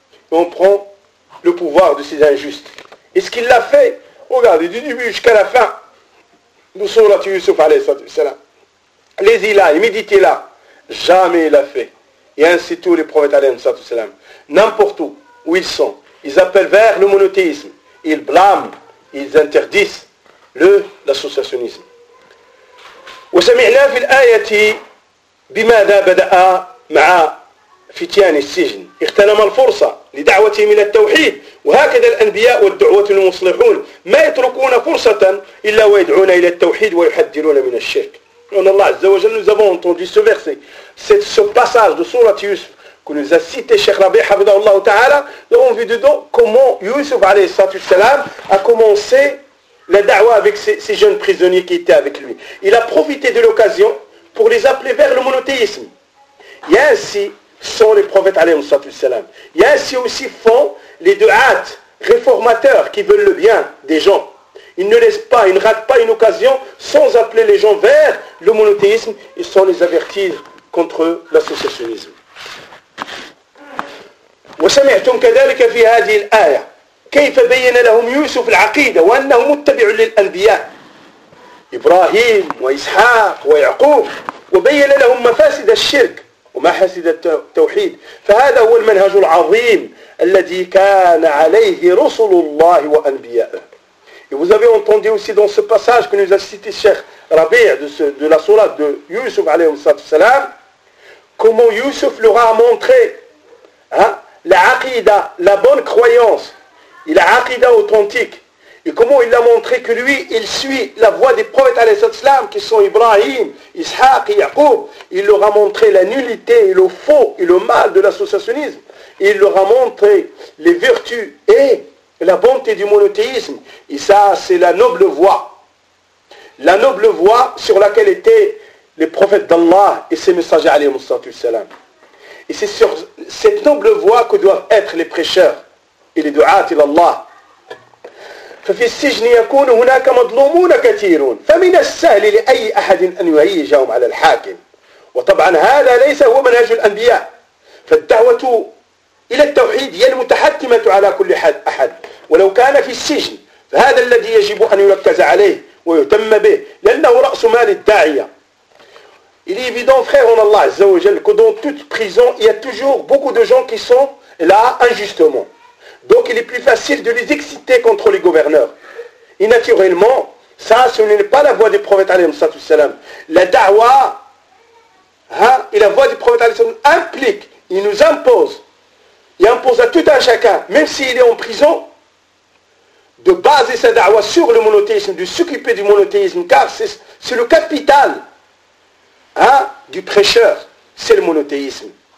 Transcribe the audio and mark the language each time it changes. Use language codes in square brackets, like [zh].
[fr] Et on prend le pouvoir de ces injustes. Et ce qu'il l'a fait, regardez, du début jusqu'à la fin, nous sommes là, Youssouf, allez-y là, et méditez là. Jamais il l'a fait. Et ainsi tous les prophètes, alayhi salam, n'importe où, où ils sont, ils appellent vers le monothéisme, ils blâment, ils interdisent l'associationnisme. [ar] Wa sami'na fil ayati bimada bada'a ma'a fitian al-sijn اغتنم الفرصة لدعوتهم إلى التوحيد وهكذا الأنبياء والدعوة المصلحون ما يتركون فرصة إلا ويدعون إلى التوحيد ويحذرون من الشرك. إن الله عز وجل [fr] nous avons entendu ce verset, ce passage de سورة يوسف que nous a cité Cheikh Rabbi [ar] حفظه الله تعالى. [fr] Nous avons vu dedans comment Youssef عليه السلام a commencé la da'wah avec ces jeunes prisonniers qui étaient avec lui. Il a profité de l'occasion pour les appeler vers le monothéisme. Et ainsi sont les prophètes alayhi salatu wassalam. Et ainsi aussi font les du'ats réformateurs qui veulent le bien des gens. Ils ne laissent pas, ils ne ratent pas une occasion sans appeler les gens vers le monothéisme et sans les avertir contre l'associationnisme. [ar] Wa sami'tum kadhalika fi hadhihi al-aya كيف بين لهم يوسف العقيدة وأنه متبع للأنبياء إبراهيم وإسحاق ويعقوب وبين لهم مفاسد الشرك ومحاسد التوحيد فهذا هو المنهج العظيم الذي كان عليه رسل الله وأنبياءه. [fr] Et vous avez entendu aussi dans ce passage que nous a cité Cheikh Rabi' de la sourate de Youssef [ar] عليه السلام [fr] comment Youssef leur a montré la aqida, la bonne croyance. Il a aqida authentique. Et comment il a montré que lui, il suit la voie des prophètes alayhissalam, qui sont Ibrahim, Ishaq et Yaqub. Il leur a montré la nullité et le faux et le mal de l'associationnisme. Et il leur a montré les vertus et la bonté du monothéisme. Et ça, c'est la noble voie. La noble voie sur laquelle étaient les prophètes d'Allah et ses messagers alayhissalam. Et c'est sur cette noble voie que doivent être les prêcheurs. [ar] إلى دعاة إلى الله. ففي السجن يكون هناك مظلومون كثيرون فمن السهل لأي أحد أن يهيجهم على الحاكم. وطبعا هذا ليس هو منهج الأنبياء. فالدعوة إلى التوحيد هي المتحتمة على كل أحد ولو كان في السجن. فهذا الذي يجب أن يركز عليه ويهتم به لأنه رأس مال الداعية. [fr] Il est évident, frère en Allah عز وجل, que dans toute prison il y a toujours beaucoup de gens qui sont là injustement. Donc il est plus facile de les exciter contre les gouverneurs. Et naturellement, ça, ce n'est pas la voie du prophète alayhi salatu wassalam. La da'wah et la voie du prophète alayhi salatu wassalam implique, il nous impose, il impose à tout un chacun, même s'il est en prison, de baser sa da'wah sur le monothéisme, de s'occuper du monothéisme, car c'est le capital du prêcheur, c'est le monothéisme.